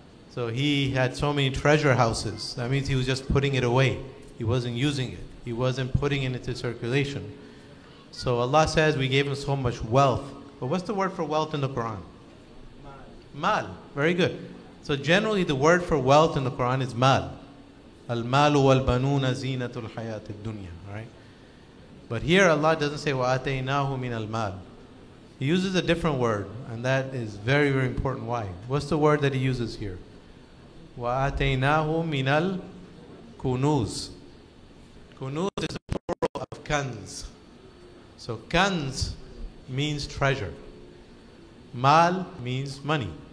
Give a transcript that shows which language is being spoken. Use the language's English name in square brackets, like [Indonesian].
[English] So he had so many treasure houses. That means he was just putting it away. He wasn't using it. He wasn't putting it into circulation. So Allah says we gave him so much wealth. But what's the word for wealth in the Quran? Mal. Mal. Very good. So generally the word for wealth in the Quran is mal. [Arabic] المال والبنون زينة الحياة الدنيا, right? [English] But here Allah doesn't say [Arabic] وَآتَيْنَاهُ مِنَ الْمَالِ. [English] He uses a different word, and that is very, very important. Why? What's the word that he uses here? [Arabic] وَآتَيْنَاهُ مِنَ الْكُنُوزِ. [English] Kunuz is a plural of kanz. So kanz means treasure. Mal means money.